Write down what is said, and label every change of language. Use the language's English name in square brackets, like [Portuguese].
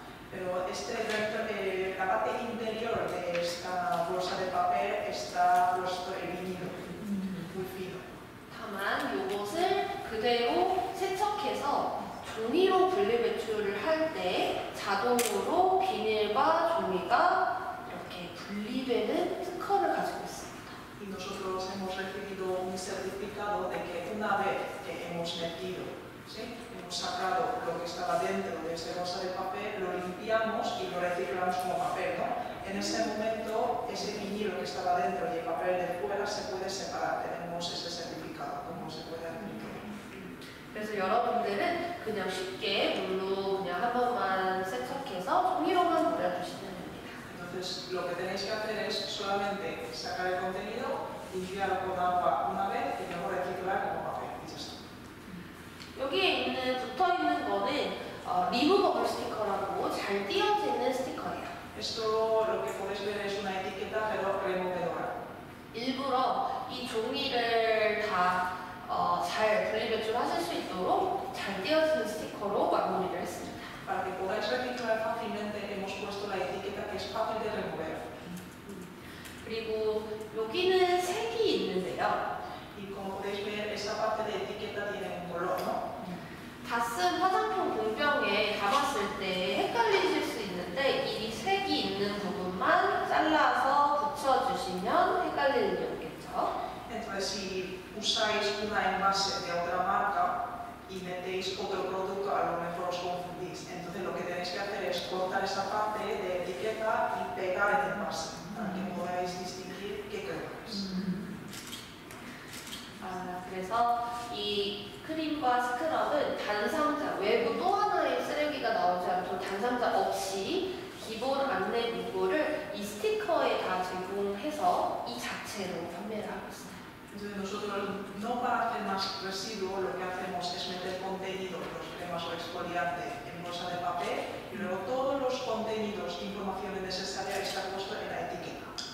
[Spanish] Pero este, la parte interior de esta bolsa de papel está puesto el vinilo, muy fino. [Korean] 다만 이것을 그대로 세척해서 종이로 분리배출을 할 때 자동으로 비닐과 종이가 이렇게 분리되는 특허를 가지고 있습니다. [Spanish] Y nosotros hemos recibido un certificado de que una vez que hemos metido, ¿sí? hemos sacado lo que estaba dentro de esa bolsa de papel, lo limpiamos y lo reciclamos como papel, ¿no? En ese momento, ese vinilo que estaba dentro y el papel de fuera se puede separar. Tenemos ese certificado, ¿cómo se puede hacer? [Korean] 그래서 여러분들은 그냥 쉽게 물로 그냥 한 번만 세척해서 종이로만 돌려주시면 됩니다. [Spanish] Entonces, lo que tenéis que hacer es solamente sacar el contenido, limpiarlo con agua una vez y luego reciclar como papel. [Korean] 여기에 있는, 붙어 있는 거는 리무버블 스티커라고 잘 띄어지는 스티커예요. [Spanish] Esto lo que podéis ver es una etiqueta de lo removedora. [Korean] 일부러 이 종이를 다 잘 분리배출하실 수 있도록 잘 띄어진 스티커로 마무리를 했습니다. [Spanish] Para que podáis reciclar fácilmente hemos puesto la etiqueta que es fácil de remover. [Korean] 그리고 여기는 색이 있는데요. [Spanish] Y como podéis ver esa parte de etiqueta tiene un color, ¿no? [Korean] 다쓴 화장품 공병에 담았을 때 헷갈리실 수 있는데 이 색이 있는 부분만 잘라서 붙여주시면 헷갈릴 일이 없겠죠. [Spanish] Entonces, si usáis una envase de otra marca y metéis otro producto, a lo mejor os confundís. Entonces, lo que tenéis que hacer es cortar esa parte de etiqueta y pegar el envase para que podáis distinguir qué crema es. [Korean] 그래서 이 크림과 스크럽은 단상자 외부 또 하나의 쓰레기가 나오지 않도록 단상자 없이 기본 안내 문구를 이 스티커에 다 제공해서 이 자체로 판매를 하고 있습니다. [Spanish] Entonces nosotros, no para hacer más residuo, lo que hacemos es meter contenido, los cremas o exfoliante en bolsa de papel y luego todos los contenidos, informaciones necesarias están puestos en la etiqueta.